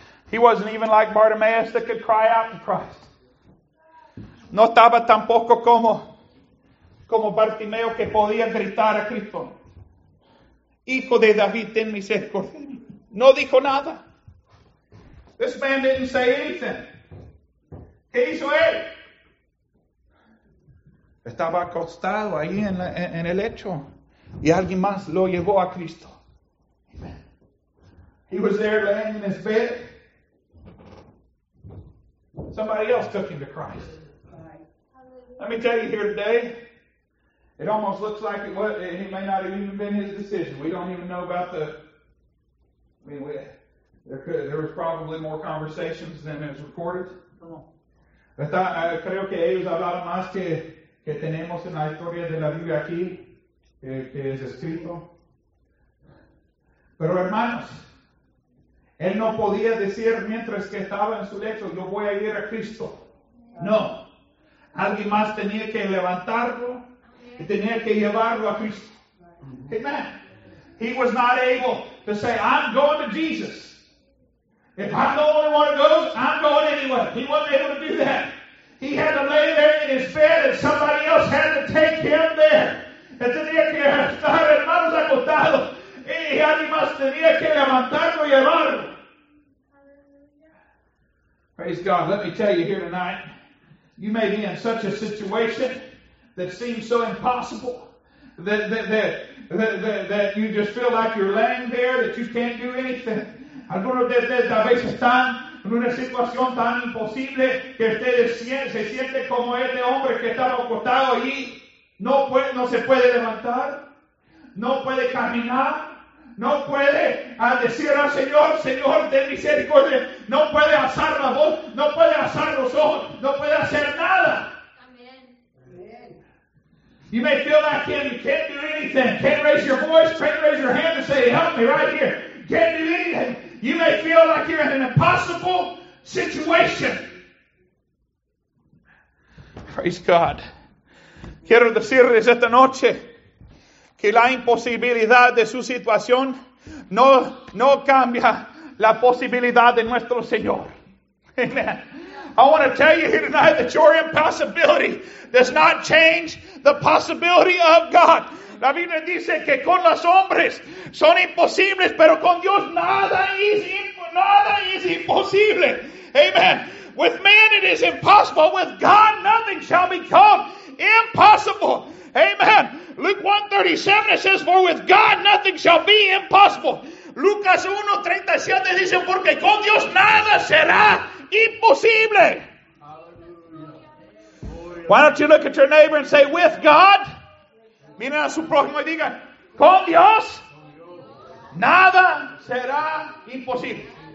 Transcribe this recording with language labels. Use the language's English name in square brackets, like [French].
[English] He wasn't even like Bartimaeus that could cry out to Christ. [Spanish] No estaba tampoco como Bartimeo que podía gritar a Cristo. Hijo de David, ten misericordia. No dijo nada. [English] This man didn't say anything. [Spanish] ¿Qué hizo él? Estaba acostado ahí en el lecho. Y alguien más lo llevó a Cristo. [English] He was there laying in his bed. Somebody else took him to Christ. Let me tell you here today, it almost looks like he may not have even been his decision. We don't even know about there was probably more conversations than it was recorded. [Spanish] Creo que ellos hablaron más que tenemos en la historia de la Biblia aquí, que es escrito. Pero hermanos, él no podía decir mientras que estaba en su lecho, yo voy a ir a Cristo. No. Alguien más tenía que levantarlo y tenía que llevarlo a Cristo. [English] Amen. He was not able to say, I'm going to Jesus. If I'm the only one who goes, I'm going anyway. He wasn't able to do that. He had to lay there in his bed, and somebody else had to take him there. [Spanish] Tenía que estar hermanos acostados y además tenía que levantarlo y llevarlo. [English] Praise God. Let me tell you here tonight, you may be in such a situation that seems so impossible that you just feel like you're laying there, that you can't do anything. [Spanish] Algunos de ustedes a veces están en una situación tan imposible que ustedes se sienten como ese hombre que estaba acostado allí. No puede, no se puede levantar, no puede caminar, no puede decir al Señor, Señor, ten misericordia, no puede alzar la voz, no puede alzar los ojos, no puede hacer nada. Amen. [English] You may feel like you can't do anything, can't raise your voice, can't raise your hand and say, help me right here, can't do anything. You may feel like you're in an impossible situation. Praise God. [Spanish] Quiero decirles esta noche que la imposibilidad de su situación no cambia la posibilidad de nuestro Señor. [English] Amen. I want to tell you here tonight that your impossibility does not change the possibility of God. [Spanish] La Biblia dice que con los hombres son imposibles, pero con Dios nada es imposible. [English] Amen. With man it is impossible. With God nothing shall become impossible. Amen. Luke 1:37 it says, for with God nothing shall be impossible. [Spanish] Lucas 1:37 dice, porque con Dios nada será imposible. Hallelujah. [English] Why don't you look at your neighbor and say, with God? [Spanish] Mira a su prójimo y diga, con Dios nada será imposible.